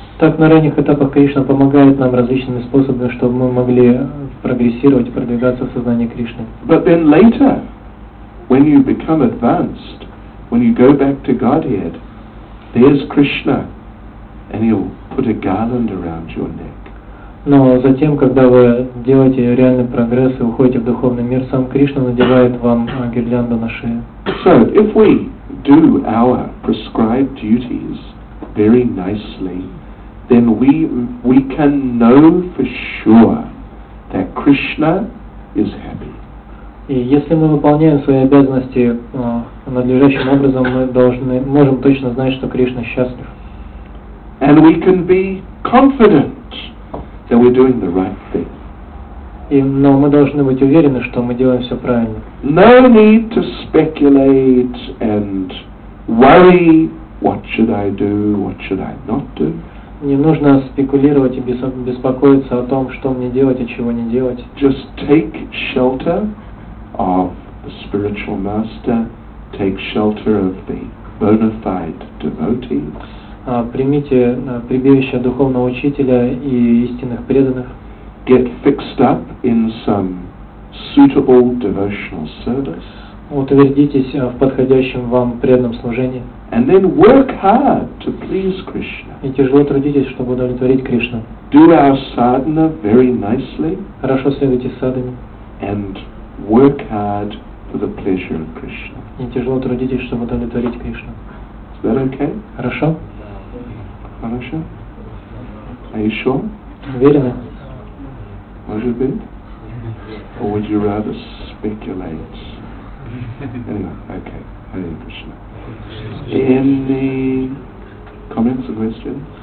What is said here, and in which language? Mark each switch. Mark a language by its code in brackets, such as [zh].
[ru] Так на ранних этапах Кришна помогает нам различными способами, чтобы мы могли прогрессировать, продвигаться в сознании Кришны. [en] But then later, when you become advanced, when you go back to Godhead, there's Krishna, and he'll put a garland around your neck. [ru] Но затем, когда вы делаете реальный прогресс и уходите в духовный мир, сам Кришна надевает вам гирлянду на шею. [en] So, if we do our prescribed duties very nicely, then we can know for sure that Krishna is happy. [ru] И если мы выполняем свои обязанности надлежащим образом, мы должны можем точно знать, что Кришна счастлив. [en] And we can be confident. That we're doing the right thing. [ru] Но мы должны быть уверены, что мы делаем все правильно. [en] No need to speculate and worry. What should I do? What should I not do? [ru] Не нужно спекулировать и беспокоиться о том, что мне делать и чего не делать. [en] Just take shelter of the spiritual master. Take shelter of the bona fide devotees. [ru] Примите прибежище духовного учителя и истинных преданных. [en] Get fixed up in some suitable devotional service. [ru] Утвердитесь в подходящем вам преданном служении. [en] And then work hard to please Krishna. [ru] И тяжело трудитесь, чтобы удовлетворить Кришну. [en] Do our sadhana very nicely. [ru] Хорошо следуйте садхане. [en] And work hard for the pleasure of Krishna. [ru] И тяжело трудитесь, чтобы удовлетворить Кришну. [en] Is that okay? [ru] Хорошо. Хорошо? [en] Are you sure? [ru] Уверена. Может быть? [en] Or would you rather speculate? Anyway, okay. Hare Krishna. Any comments or questions?